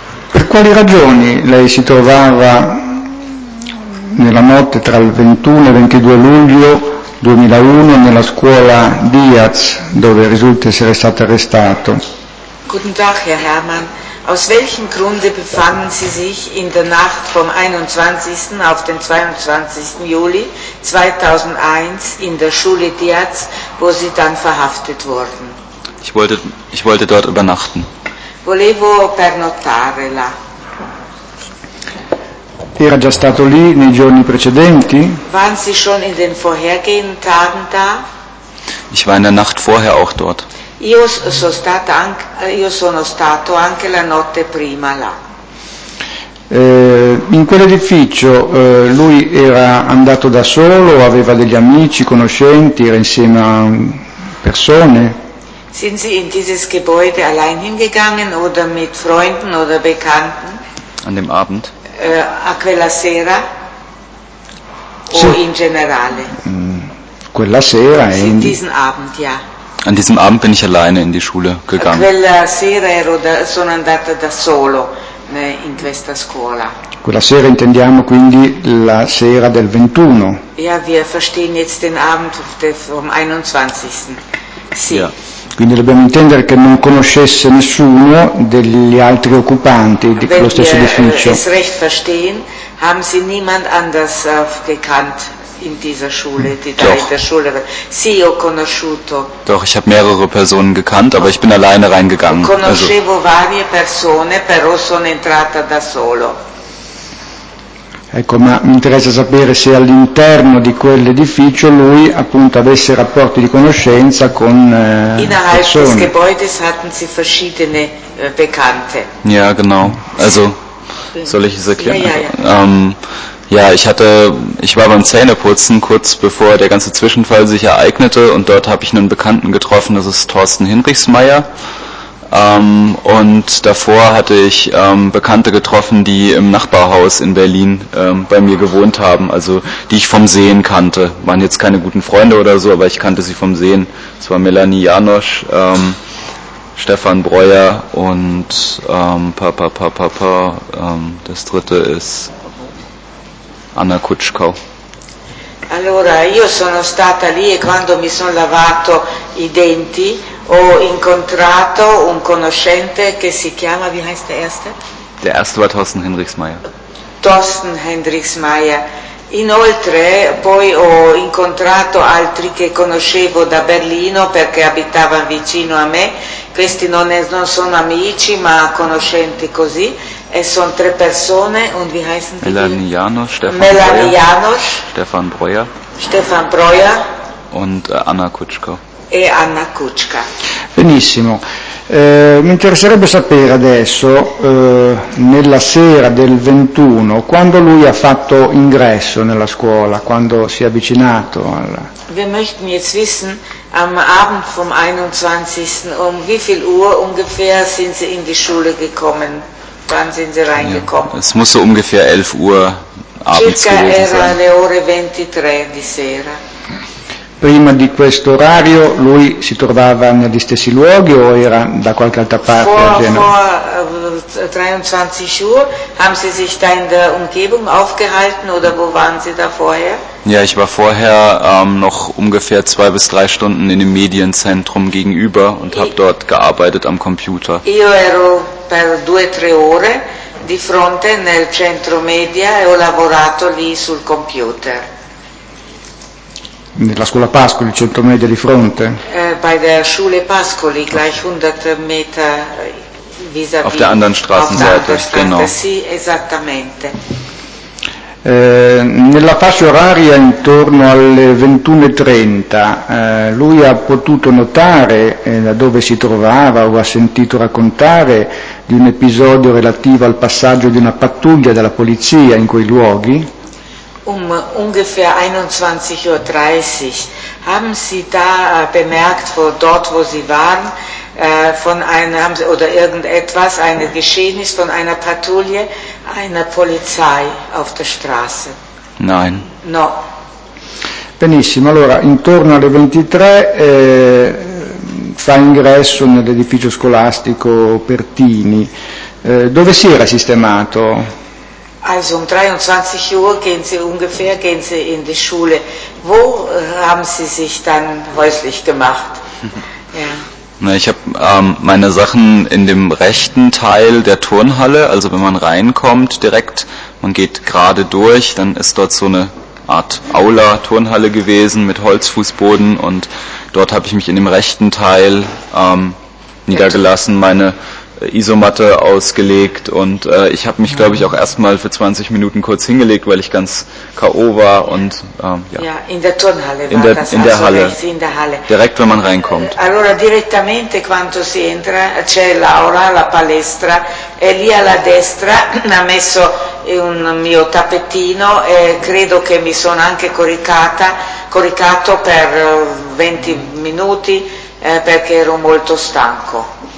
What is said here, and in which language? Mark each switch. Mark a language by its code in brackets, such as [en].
[it] Per quali ragioni lei si trovava nella notte tra il 21 e il 22 luglio 2001 nella scuola Diaz, dove risulta essere stato arrestato? [de] Guten Tag, Herr Hermann. Aus welchem Grunde befanden Sie sich in der Nacht vom 21. auf den 22. Juli 2001 in der Schule Diaz, wo Sie dann verhaftet wurden? Ich wollte dort übernachten. [it] Volevo pernottare là. Era già stato lì nei giorni precedenti? [de] Waren Sie schon in den vorhergehenden Tagen da? Ich war in der Nacht vorher auch dort. [it] Io sono stato anche la notte prima là. In quell'edificio, lui era andato da solo o aveva degli amici, conoscenti, era insieme a persone? [de] Sind Sie in dieses Gebäude allein hingegangen oder mit Freunden oder Bekannten? An dem Abend? [it] A quella sera o Sì. in generale? Quella sera Sì, [de] diesen Abend, ja. An diesem Abend bin ich alleine in die Schule gegangen. [it] Quella sera sono andata da solo in questa scuola. Quella sera intendiamo quindi la sera del 21. [de] Ja, wir verstehen jetzt den Abend vom 21. [it] Sì. [de] Ja. [it] Quindi dobbiamo intendere che non conoscesse nessuno degli altri occupanti di quello [de] Wenn [it] stesso [de] wir [it] edificio. [de] es recht verstehen, haben Sie niemand anders gekannt in dieser Schule, die da in Doch. der Schule war. [it] Sì, ho conosciuto. [de] Doch, ich habe mehrere Personen gekannt, aber ich bin alleine reingegangen. Also. [it] Conoscevo varie persone, però sono entrata da solo. Ecco, ma mi interessa sapere se all'interno di quell'edificio lui appunto avesse rapporti di conoscenza con [de] Innerhalb des [it] persone. [de] Gebäudes hatten Sie verschiedene Bekannte. Ja, genau. Also, soll ich es Ja, erklären? ja, Also, ja. ich war beim Zähneputzen kurz bevor der ganze Zwischenfall sich ereignete und dort habe ich einen Bekannten getroffen, das ist Thorsten Hinrichsmeier. Und davor hatte ich Bekannte getroffen, die im Nachbarhaus in Berlin bei mir gewohnt haben, also die ich vom Sehen kannte. Waren jetzt keine guten Freunde oder so, aber ich kannte sie vom Sehen. Es war Melanie Janosch, Stefan Breuer und Papa, Papa, Papa, das dritte ist Anna Kutschkau. [it] Allora, io sono stata lì e quando mi sono lavato i denti ho incontrato un conoscente che si chiama, [de] wie heißt der erste? Der erste war Thorsten Hinrichsmeier. Thorsten Hinrichsmeier. [it] Inoltre poi ho incontrato altri che conoscevo da Berlino perché abitavano vicino a me. Questi non sono amici ma conoscenti così. E sono tre persone, [de] und wie heißen Melanie Janosch, die? Stefan Breuer. Melanie Janosch, Stefan Breuer Stefan Breuer und Anna Kutschko. [it] e Anna Kuczka. Benissimo. Mi interesserebbe sapere adesso, nella sera del 21, quando lui ha fatto ingresso nella scuola, quando si è avvicinato alla... [de] Wir möchten jetzt wissen, am Abend vom 21. um wie viel Uhr ungefähr sind Sie in die Schule gekommen? Wann sind Sie reingekommen? Ja, es muss so ungefähr 11 Uhr abends [it] circa [de] gewesen [it] era [de] sein. [it] Le ore 23 di sera. Prima di questo orario lui si trovava negli stessi luoghi o era da qualche altra parte [de] vor, [it] a Genova? [de] Vor 23 Uhr haben Sie sich da in der Umgebung aufgehalten oder wo waren Sie da vorher? Ja, ich war vorher noch ungefähr 2 bis 3 Stunden in dem Medienzentrum gegenüber und habe dort gearbeitet am Computer. [it] Io ero per 2-3 ore di fronte nel centro media e ho lavorato lì sul computer. Nella scuola Pascoli, 100 metri di fronte? [de] Bei der Schule Pascoli, gleich 100 Meter vis-à-vis. Auf der anderen Straßenseite, genau. [it] Sì, esattamente. Nella fascia oraria intorno alle 21.30, lui ha potuto notare, da dove si trovava o ha sentito raccontare, di un episodio relativo al passaggio di una pattuglia della polizia in quei luoghi? [de] Ungefähr 21.30 Uhr haben Sie da bemerkt, wo, dort wo Sie waren, von einer, haben Sie, oder irgendetwas, ein Geschehnis von einer Patrouille, einer Polizei auf der Straße? Nein. [it] No. Benissimo, allora intorno alle 23 fa ingresso nell'edificio scolastico Pertini. Dove si era sistemato? [de] Also 23 Uhr gehen Sie ungefähr, gehen Sie in die Schule. Wo haben Sie sich dann häuslich gemacht? Ja. Na, ich habe meine Sachen in dem rechten Teil der Turnhalle, also wenn man reinkommt direkt, man geht gerade durch, dann ist dort so eine Art Aula-Turnhalle gewesen mit Holzfußboden und dort habe ich mich in dem rechten Teil niedergelassen, meine Isomatte ausgelegt und ich habe mich, glaube ich, auch erstmal für 20 Minuten kurz hingelegt, weil ich ganz K.O. war und ja. Ja, in der Turnhalle war in der, das, in der Halle. Rechts in der Halle. Direkt, wenn man reinkommt. [it] Allora, direttamente quando si entra, c'è l'aula, la palestra, e lì alla destra ha messo un mio tappetino e credo che mi sono anche coricato per 20 minuti perché ero molto stanco.